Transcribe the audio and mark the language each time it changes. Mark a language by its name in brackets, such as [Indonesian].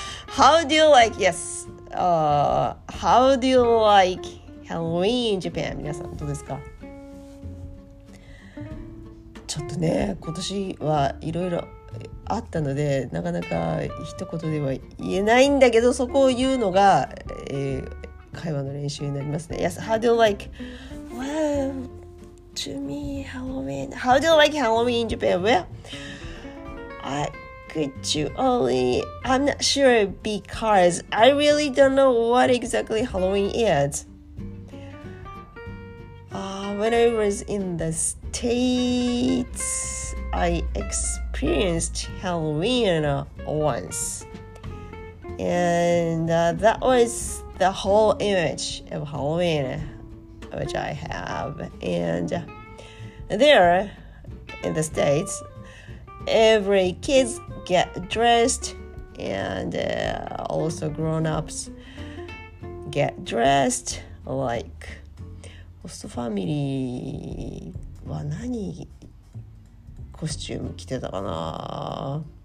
[English] How do you like, yes, how do you like Halloween in Japan? [Japanese] 皆さん、どうですか? ちょっとね、今年はいろいろあったので、なかなか一言では言えないんだけど、そこを言うのが、会話の練習になりますね。 [English] Yes, how do you like, well, to me, Halloween, how do you like Halloween in Japan? Well, I'm not sure because I really don't know what exactly Halloween is. When I was in the States, I experienced Halloween once. And that was the whole image of Halloween which I have. And there in the States, every kid's get dressed and also grown-ups get dressed like [Japanese] ホストファミリーは何コスチューム着てたかな